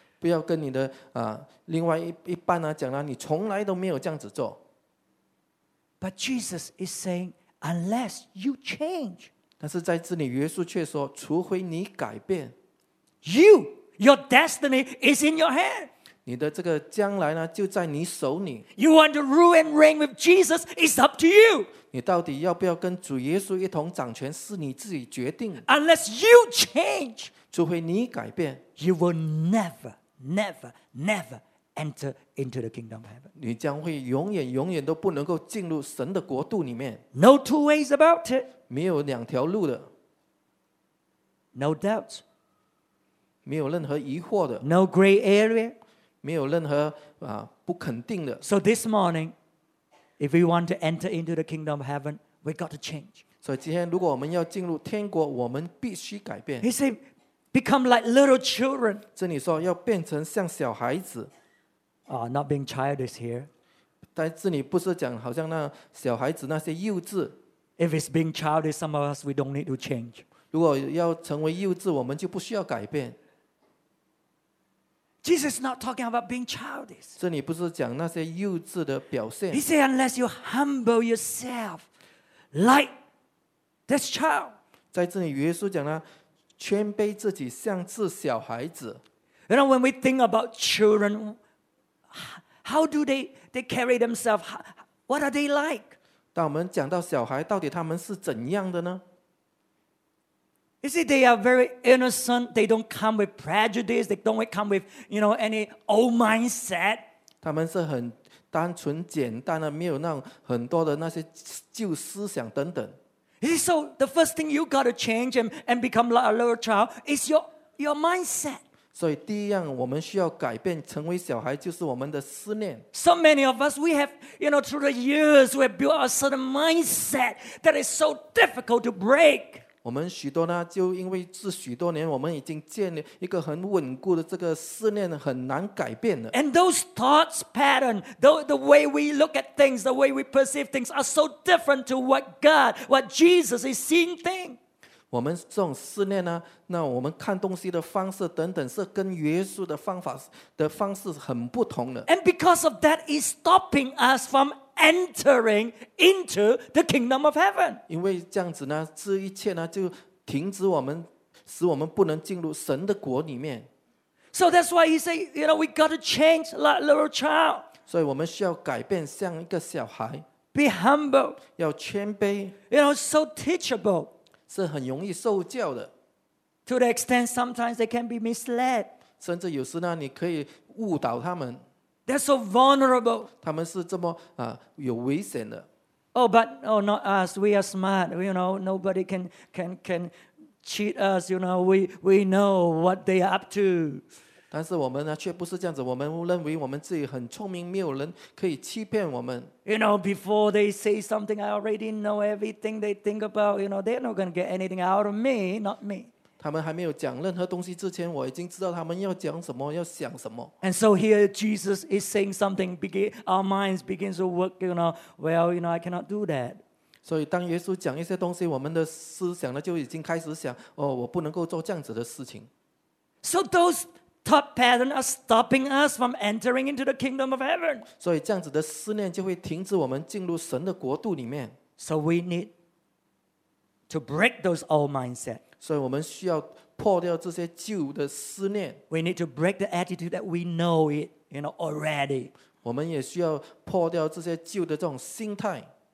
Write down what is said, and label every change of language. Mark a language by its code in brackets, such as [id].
[zh] 不要跟你的另外一半讲了，你从来都没有这样子做。 [en] But Jesus is saying, unless you change. [zh] 但是在这里，耶稣却说，除非你改变。 [en] You, your destiny is in your hand. [zh] 你的这个将来呢，就在你手里。 [en] You want to rule and reign with Jesus? It's up to you. [zh] 你到底要不要跟主耶稣一同掌权，是你自己决定。 [en] Unless you change, [zh] 除非你改变 [en] ，you will never, never, never enter into the kingdom of heaven. [zh] 你将会永远、永远都不能够进入神的国度里面。 [en] No two ways about it. [zh] 没有两条路的。 [en] No doubts. [zh] 没有任何疑惑的。 [en] No gray area. [zh] 没有任何不肯定的。 [en] So this morning, if we want to enter into the kingdom of heaven, we got to change. [zh] 所以今天如果我们要进入天国，我们必须改变。 [en] He said, "Become like little children." [zh] 这里说要变成像小孩子。 [en] Not being childish here. [zh] 但这里不是讲好像那小孩子那些幼稚。 [en] If it's being childish, some of us we don't need to change. [zh] 如果要成为幼稚，我们就不需要改变。 [en] Jesus is not talking about being childish. [zh] 这里不是讲那些幼稚的表现。 [en] He said, unless you humble yourself like this child. [zh] 在这里耶稣讲了，谦卑自己像自小孩子。 [en] You know, when we think about children, how do they carry themselves? What are they like? [zh] 当我们讲到小孩，到底他们是怎样的呢？ [en] You see, they are very innocent. They don't come with prejudice. They don't come with, you know, any old mindset. [zh] 他们是很单纯简单的，没有那种很多的那些旧思想等等。 [en] You see, so the first thing you got to change and become like a little child is your mindset. [zh] 所以第一样我们需要改变成为小孩，就是我们的思念。 [en] So many of us, we have, you know, through the years, we have built a certain mindset that is so difficult to break. [zh] 我们许多呢，就因为这许多年，我们已经建立一个很稳固的这个思念，很难改变了。 [en] And those thoughts pattern, the way we look at things, the way we perceive things, are so different to what God, what Jesus is seeing thing. [zh] 我们这种思念呢，那我们看东西的方式等等，是跟耶稣的方式很不同的。 [en] And because of that, is stopping us from. Entering into the kingdom of heaven. [zh] 因为这样子呢，这一切呢就停止我们，使我们不能进入神的国里面。 [en] So that's why he say, you know, we got to change like little child. [zh] 所以我们需要改变，像一个小孩。 [en] Be humble. [zh] 要谦卑。 [en] You know, so teachable. [zh] 是很容易受教的。 [en] To the extent sometimes they can be misled. [zh] 甚至有时呢，你可以误导他们。 [en] They're so vulnerable. [zh] 他们是这么有危险的。 [en] Oh, but oh, not us. We are smart. You know, nobody can cheat us. You know, we know what they are up to. [zh] 但是我们呢，却不是这样子。我们认为我们自己很聪明，没有人可以欺骗我们。 [en] You know, before they say something, I already know everything they think about. You know, they're not going to get anything out of me, not me. [zh] 他们还没有讲任何东西之前，我已经知道他们要讲什么，要想什么。 [en] And so here Jesus is saying something. Begin our minds begin to work. You know, well, you know, I cannot do that. [zh] 所以当耶稣讲一些东西，我们的思想呢就已经开始想，哦，我不能够做这样子的事情。 [en] So those thought patterns are stopping us from entering into the kingdom of heaven. [zh] 所以这样子的思念就会停止我们进入神的国度里面。 [en] So we need to break those old mindset. [zh] 所以我们需要破掉这些旧的思念。 [en] We need to break the attitude that we know it, you know, already. [zh] 我们也需要破掉这些旧的这种心态。